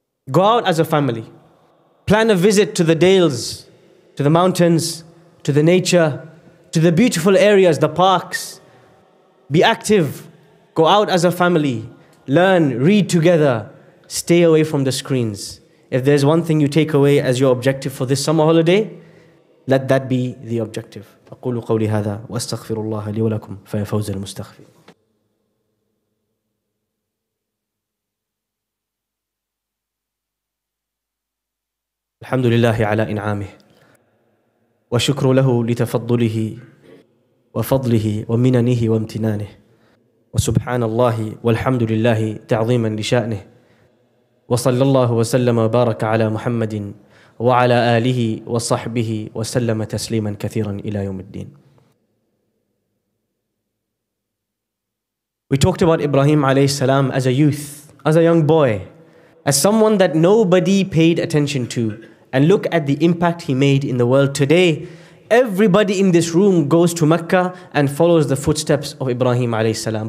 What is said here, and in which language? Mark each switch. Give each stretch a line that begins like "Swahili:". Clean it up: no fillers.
English: Go out as a family. Plan a visit to the dales, to the mountains, to the nature, to the beautiful areas, the parks. Be active. Go out as a family. Learn, read together. Stay away from the screens. If there's one thing you take away as your objective for this summer holiday, let that be the objective.
Arabic: أقول قولي هذا وأستغفر الله لي ولكم فيفوز المستغفر. الحمد لله على إنعامه وشكر له لتفضله وفضله ومننه وامتنانه وسبحان الله والحمد لله تعظيما لشأنه وصلى الله وسلم وبارك على محمد وعلى آله وصحبه وسلم تسليما كثيرا إلى يوم الدين.
English: We talked about Ibrahim
Arabic: عليه السلام
English: as a youth, as a young boy, as someone that nobody paid attention to. And look at the impact he made in the world today. Everybody in this room goes to Mecca and follows the footsteps of Ibrahim
Arabic: alayhi salam.